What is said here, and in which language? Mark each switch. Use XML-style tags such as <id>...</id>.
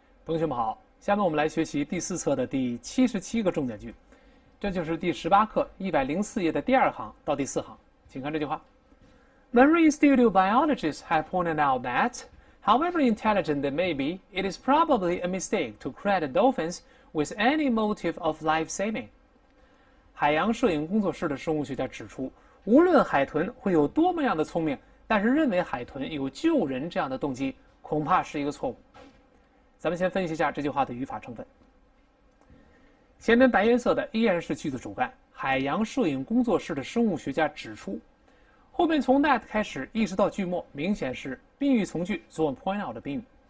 <zh>同学们好，下面我们来学习第四册的第77个重点句，这就是第18课104页的第二行到第四行，请看这句话。</zh> <en>Marine studio biologists have pointed out that, however intelligent they may be, it is probably a mistake to credit dolphins with any motive of life-saving.</en> <zh>海洋摄影工作室的生物学家指出，无论海豚会有多么样的聪明，但是认为海豚有救人这样的动机，恐怕是一个错误。咱们先分析一下这句话的语法成分。前面白颜色的依然是句子主干，海洋摄影工作室的生物学家指出，后面从 that 开始一直到句末，明显是宾语从句做 point out 的宾语。</zh>